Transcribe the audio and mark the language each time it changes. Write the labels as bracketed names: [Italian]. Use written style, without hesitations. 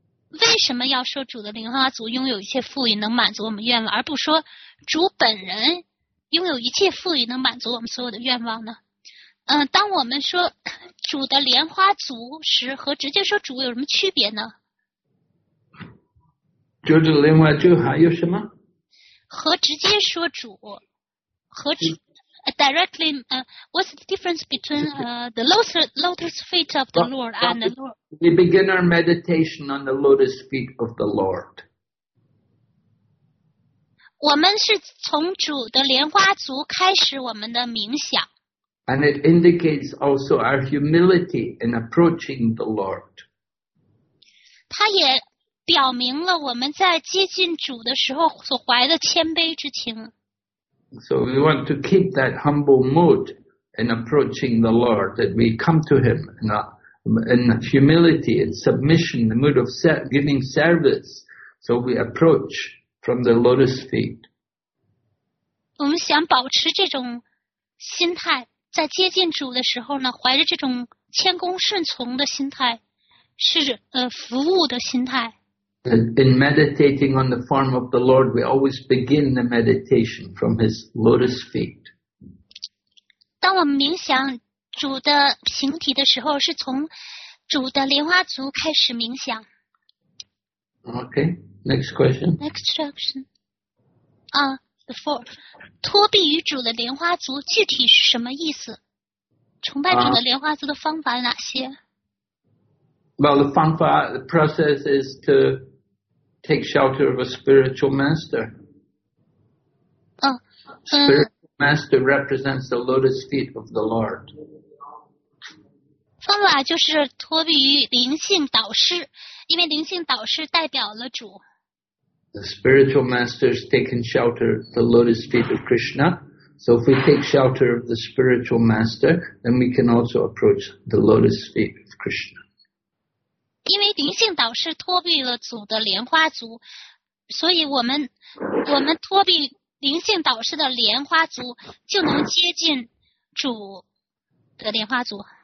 [Chinese] 为什么要说主的莲花足拥有一切富裕，能满足我们愿望，而不说主本人拥有一切富裕，能满足我们所有的愿望呢？当我们说主的莲花足时，和直接说主有什么区别呢？主的莲花足还有什么？和直接说主， [English] directly, what's the difference between the lotus feet of the Lord and the Lord? We begin our meditation on the lotus feet of the Lord. [Chinese] 我们是从主的莲花足开始我们的冥想。 [English] And it indicates also our humility in approaching the Lord. [Chinese] 它也表明了我们在接近主的时候所怀的谦卑之情。 [English] So we want to keep that humble mood in approaching the Lord, that we come to him in humility and submission, the mood of giving service. So we approach from the lotus feet. [Chinese] 我们想保持这种心态。在接近主的时候呢，怀着这种谦恭顺从的心态，是服务的心态。 [English] In meditating on the form of the Lord, we always begin the meditation from His lotus feet. [Chinese] 当我们冥想主的形体的时候，是从主的莲花足开始冥想。 [English] Okay, Next question. Next question. 啊, before. [Chinese] 托庇于主的莲花族具体是什么意思？崇拜主的莲花族的方法哪些？ [English] Well, the方法, the process is to take shelter of a spiritual master. Spiritual master represents the lotus feet of the Lord. [Chinese] 方法就是托庇于灵性导师，因为灵性导师代表了主。 [English] The spiritual master is taking shelter at the lotus feet of Krishna. So if we take shelter of the spiritual master, then we can also approach the lotus feet of Krishna. [Chinese] 因为灵性导师托庇了主的莲花族，所以我们托庇灵性导师的莲花族，就能接近主的莲花族。